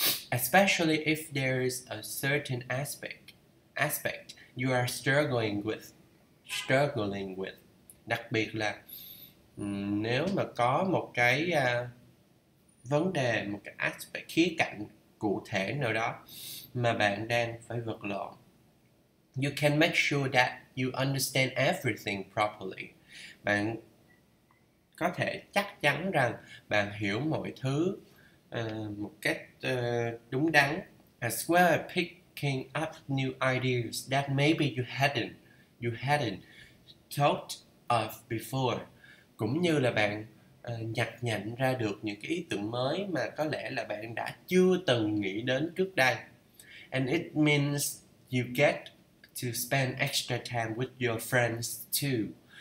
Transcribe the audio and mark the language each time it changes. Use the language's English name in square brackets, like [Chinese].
[English] Especially if there is a certain aspect you are struggling with. [Vietnamese] Đặc biệt là nếu mà có một cái vấn đề, một cái aspect, khía cạnh cụ thể nào đó mà bạn đang phải vật lộn. [English] You can make sure that you understand everything properly. [Vietnamese] Bạn có thể chắc chắn rằng bạn hiểu mọi thứ một cách đúng đắn. [English] As well as picking up new ideas that maybe you hadn't thought of before, [Vietnamese] cũng như là bạn nhặt nhạnh ra được những cái ý tưởng mới mà có lẽ là bạn đã chưa từng nghĩ đến trước đây. [English] And it means you get to spend extra time with your friends too.